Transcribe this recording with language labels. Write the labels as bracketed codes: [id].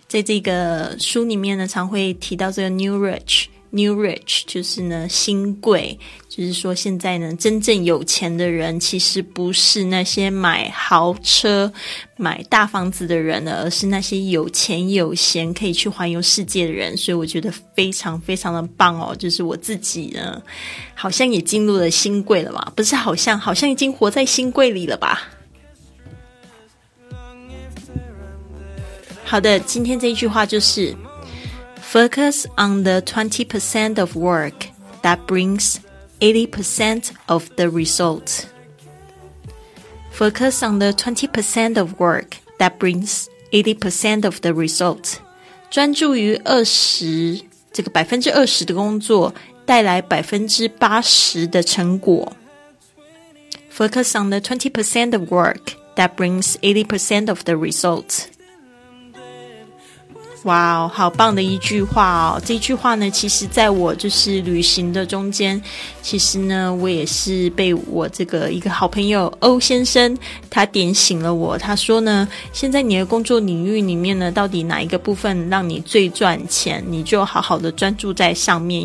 [zh] 在这个书里面呢常会提到这个 New Rich 就是呢新贵，就是说现在呢真正有钱的人其实不是那些买豪车买大房子的人了，而是那些有钱有闲可以去环游世界的人。所以我觉得非常非常的棒哦，就是我自己呢好像也进入了新贵了嘛，不是好像已经活在新贵里了吧。好的，今天这一句话就是 [en] Focus on the 20% of work that brings 80% of the result. Focus on the 20% of work that brings 80% of the result. [zh] 专注于20%的工作带来80%的成果。 [en] Focus on the 20% of work that brings 80% of the result. [zh] 哇哦，好棒的一句话哦。这句话呢其实在我就是旅行的中间，其实呢我也是被我这个一个好朋友欧先生他点醒了我。他说呢，现在你的工作领域里面呢，到底哪一个部分让你最赚钱，你就好好的专注在上面。